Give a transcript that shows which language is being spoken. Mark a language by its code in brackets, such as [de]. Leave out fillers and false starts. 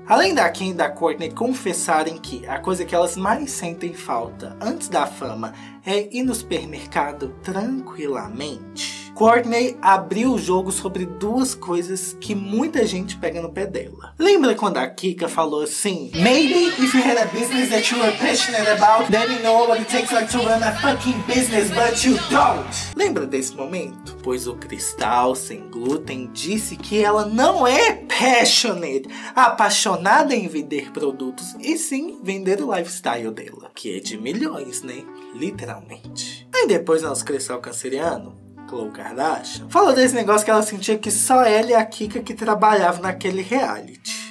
[pt] Além da Kim e da Courtney confessarem que a coisa que elas mais sentem falta antes da fama é ir no supermercado tranquilamente, Courtney abriu o jogo sobre duas coisas que muita gente pega no pé dela. Lembra quando a Kika falou assim? [en] Maybe if you had a business that you were passionate about, then you know what it takes like to run a fucking business, but you don't. [pt] Lembra desse momento? Pois o Cristal sem glúten disse que ela não é passionate, apaixonada em vender produtos, e sim vender o lifestyle dela. Que é de milhões, né? Literalmente. Aí depois nosso Cristal canceriano, Khloe Kardashian, falou desse negócio que ela sentia que só ela e a Kika que trabalhavam naquele reality.